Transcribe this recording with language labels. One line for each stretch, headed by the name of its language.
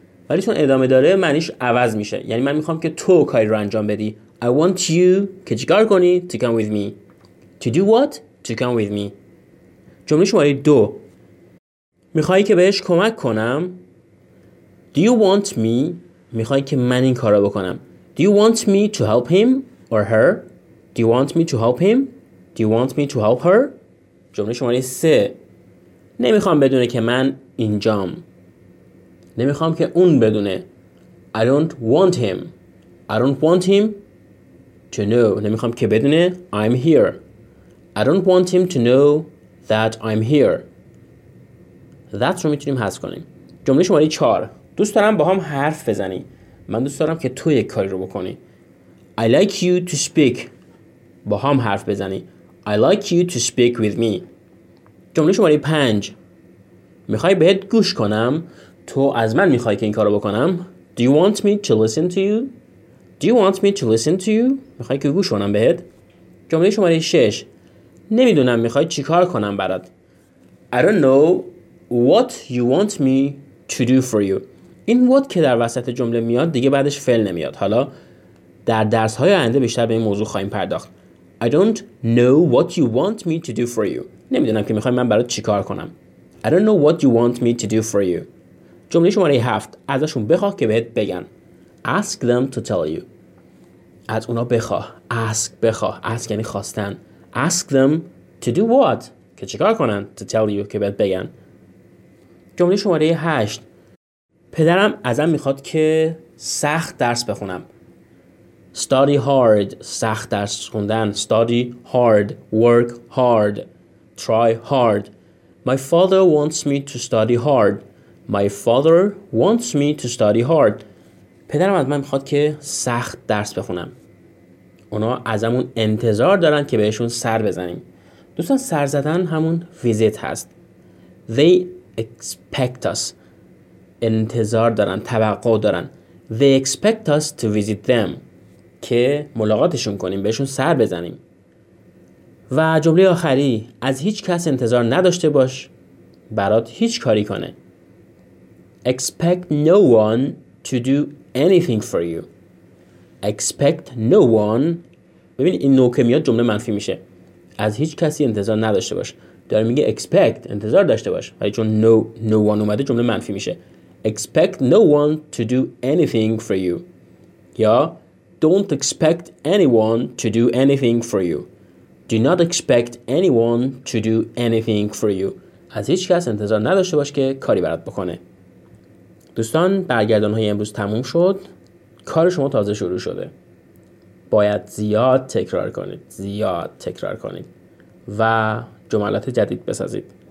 Persian: ولی چون ادامه داره معنیش عوض میشه، یعنی من میخوام که تو کاری رو انجام بدی.
English: I want you
Persian: که چیکار کنی؟
English: To come with me. To do what? To come with me.
Persian: جمله شماره 2، میخوایی که بهش کمک کنم؟
English: Do you want me؟
Persian: میخوایی که من این کارا بکنم.
English: Do you want me to help him or her? Do you want me to help him? Do you want me to help her?
Persian: جمله شماره 3، نمیخوام بدونه که من اینجام. نمیخوام که اون بدونه.
English: I don't want him. I don't want him to know.
Persian: نمیخوام که بدونه.
English: I'm here. I don't want him to know that I'm here.
Persian: That رو میتونیم حذف کنیم. جمله شماره 4. دوست دارم با هم حرف بزنی. من دوست دارم که تو یک کاری رو بکنی.
English: I like you to speak.
Persian: با هم حرف بزنی.
English: I like you to speak with me.
Persian: جمله شماره 5. میخوای بهت گوش کنم؟ تو از من میخوای که این کارو بکنم؟
English: Do you want me to listen to you? Do you want me to listen to you?
Persian: میخوای که گوش کنم بهت؟ جمله شماره 6، نمیدونم میخوای چیکار کنم برات.
English: I don't know what you want me to do for you.
Persian: این what که در وسط جمله میاد دیگه بعدش فعل نمیاد. حالا در درس های آینده بیشتر به این موضوع خواهیم پرداخت.
English: I don't know what you want me to do for you.
Persian: نمیدونم که میخوای من برات چیکار کنم.
English: I don't know what you want me to do for you.
Persian: جمله شماره 7، ازشون بخواه که بهت بگن.
English: Ask them to tell you.
Persian: از اونا بخواه.
English: Ask،
Persian: بخواه.
English: Ask
Persian: یعنی خواستن.
English: Ask them to do what؟
Persian: که چیکار کنن؟
English: To tell you،
Persian: که بهت بگن. جمله شماره 8، پدرم ازم میخواد که سخت درس بخونم.
English: Study hard،
Persian: سخت درس خوندن.
English: Study hard، work hard، try hard. My father wants me to study hard. My father wants me to study hard.
Persian: پدرم از من میخواد که سخت درس بخونم. اونا ازمون انتظار دارن که بهشون سر بزنیم. دوستان، سر زدن همون visit هست.
English: They expect us.
Persian: انتظار دارن، توقع دارن.
English: They expect us to visit them.
Persian: که ملاقاتشون کنیم، بهشون سر بزنیم. و جمله آخری، از هیچ کس انتظار نداشته باش برات هیچ کاری کنه.
English: Expect no one to do anything for you. Expect no one.
Persian: ببین این نو که میاد جمله منفی میشه. از هیچ کسی انتظار نداشته باش. داره میگه expect، انتظار داشته باش. ولی چون no one اومده جمله منفی میشه.
English: Expect no one to do anything for you. یا don't expect anyone to do anything for you. Do not expect anyone to do anything for you.
Persian: از هیچ کس انتظار نداشته باش که کاری برات بکنه. دوستان، برگردان های امروز تموم شد. کار شما تازه شروع شده. باید زیاد تکرار کنید. زیاد تکرار کنید. و جملات جدید بسازید.